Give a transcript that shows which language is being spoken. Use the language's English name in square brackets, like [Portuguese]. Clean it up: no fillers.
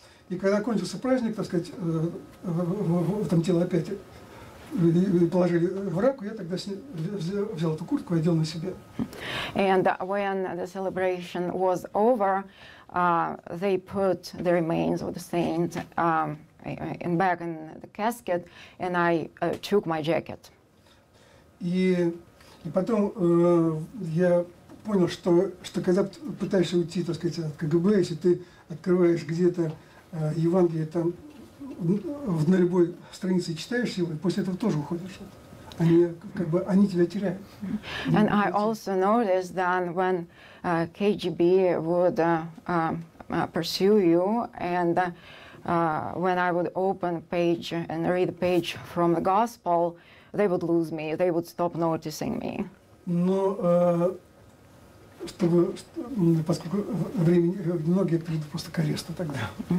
[Russian] И когда кончился праздник, так сказать, в этом тело опять положили в раку, я тогда взял эту куртку и одел на себя. [English] And when the celebration was over, they put the remains of the saint in back in the casket, and I took my jacket. [Russian] И потом я понял, что когда пытаешься уйти, так сказать, от КГБ, если ты открываешь где-то Евангелие, там на любой странице читаешь его, и после этого тоже уходишь. Они, как бы, они тебя теряют. [English] And I also noticed that when KGB would pursue you, and when I would open page and read page from the gospel, they would lose me, they would stop noticing me. [Russian] Но чтобы, поскольку времени немного, я перейду просто к аресту тогда.